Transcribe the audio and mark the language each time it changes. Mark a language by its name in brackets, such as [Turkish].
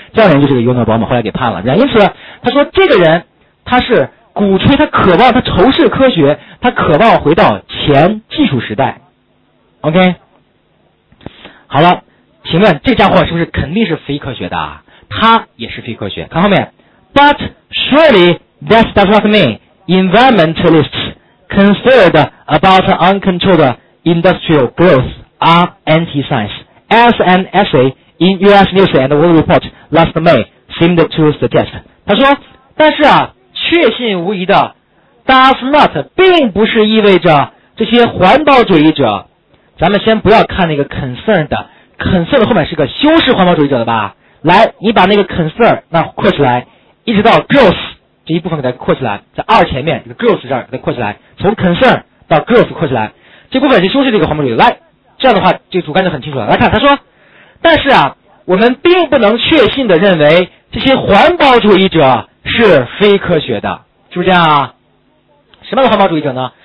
[Chinese] 这样人就是个尤诺保姆，后来给判了。这样，因此他说这个人他是鼓吹，他渴望，他仇视科学，他渴望回到前技术时代。 OK， 好了。请问这家伙是不是肯定是非科学的啊？他也是非科学。看后面 [English] ，But surely that does not mean environmentalists concerned about uncontrolled industrial growth are anti-science, as an essay in U.S. News and World Report last May seemed to suggest. [Chinese] 他说，但是啊，确信无疑的 ， [English] does not [Chinese] 并不是意味着这些环保主义者，咱们先不要看那个 concerned。 concern 后面是个修饰环保主义者的吧，来你把那个 concern 那括起来，一直到 growth 这一部分给它括起来，在二前面这个 growth 这儿给它括起来，从 concern 到 growth 括起来，这部分是修饰这个环保主义者，来这样的话这个主干就很清楚了。来看他说，但是啊，我们并不能确信的认为这些环保主义者是非科学的，是不是这样啊？什么样的环保主义者呢？